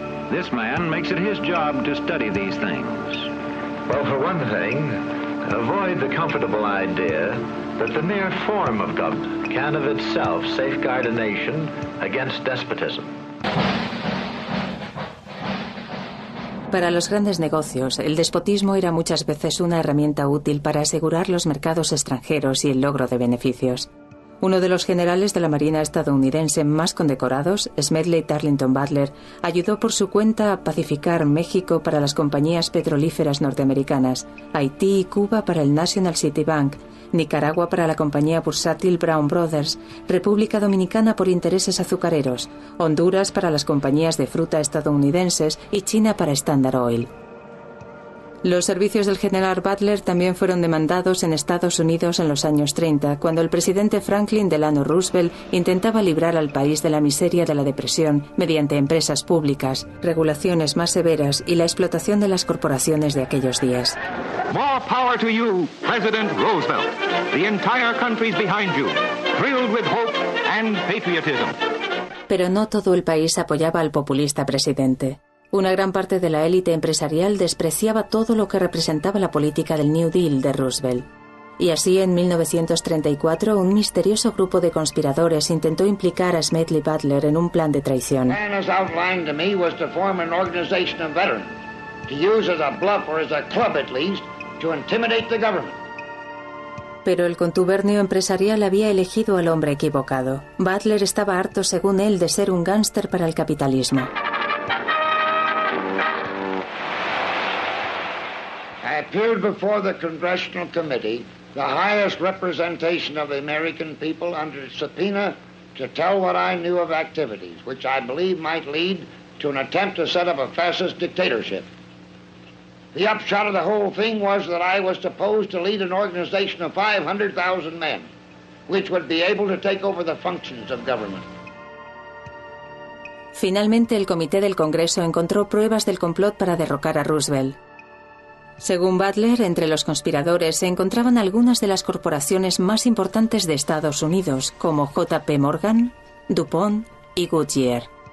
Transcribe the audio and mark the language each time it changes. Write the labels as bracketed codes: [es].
[en] This man makes it his job to study these things. Well, for one thing, avoid the comfortable idea that the mere form of government can of itself safeguard a nation against despotism. [es] Para los grandes negocios, el despotismo era muchas veces una herramienta útil para asegurar los mercados extranjeros y el logro de beneficios. Uno de los generales de la Marina estadounidense más condecorados, Smedley Tarleton Butler, ayudó por su cuenta a pacificar México para las compañías petrolíferas norteamericanas, Haití y Cuba para el National City Bank, Nicaragua para la compañía bursátil Brown Brothers, República Dominicana por intereses azucareros, Honduras para las compañías de fruta estadounidenses y China para Standard Oil. Los servicios del general Butler también fueron demandados en Estados Unidos en los años 30, cuando el presidente Franklin Delano Roosevelt intentaba librar al país de la miseria de la depresión mediante empresas públicas, regulaciones más severas y la explotación de las corporaciones de aquellos días. [en] More power to you, President Roosevelt. The entire country's behind you, thrilled with hope and patriotism. [es] Pero no todo el país apoyaba al populista presidente. Una gran parte de la élite empresarial despreciaba todo lo que representaba la política del New Deal de Roosevelt. Y así, en 1934, un misterioso grupo de conspiradores intentó implicar a Smedley Butler en un plan de traición. El plan, como [en] outlined to me, was to form an organization of veterans, to use as a bluff or as a club at least, to intimidate the government. [es] Pero el contubernio empresarial había elegido al hombre equivocado. Butler estaba harto, según él, de ser un gánster para el capitalismo. [en] Appeared before the Congressional Committee, the highest representation of the American people under subpoena to tell what I knew of activities, which I believe might lead to an attempt to set up a fascist dictatorship. The upshot of the whole thing was that I was supposed to lead an organization of 500,000 men, which would be able to take over the functions of government. [es] Finalmente, el Comité del Congreso encontró pruebas del complot para derrocar a Roosevelt. Según Butler, entre los conspiradores se encontraban algunas de las corporaciones más importantes de Estados Unidos, como J.P. Morgan, DuPont y Goodyear.